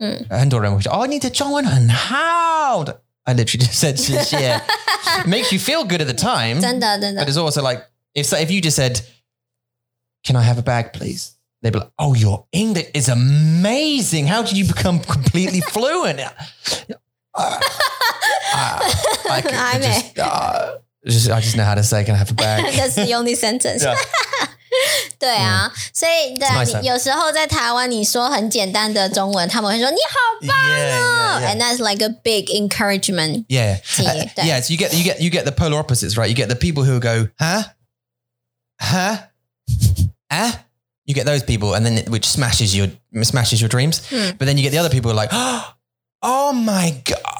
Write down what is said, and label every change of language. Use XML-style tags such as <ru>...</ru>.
<zh>很多人会说, oh, 你的中文很好!</zh> <en>I literally just said</en> <zh>谢谢.</zh> <en>Makes you feel good at the time.</en> <zh>真的,</zh> <en>but it's also like, if you just said, can I have a bag, please? They'd be like, oh, your English is amazing. How did you become completely fluent? I just know how to say, can I have a bag? That's the only sentence.</en> <zh>对啊, 所以有时候在台湾你说很简单的中文,他们会说你好棒哦!</zh> <en>And that's like a big encouragement. Yeah. Yeah, so you get the polar opposites, right? You get the people who go, huh? Huh? Eh? You get those people, and then which smashes your dreams. But then you get the other people who are like, oh my God.</en>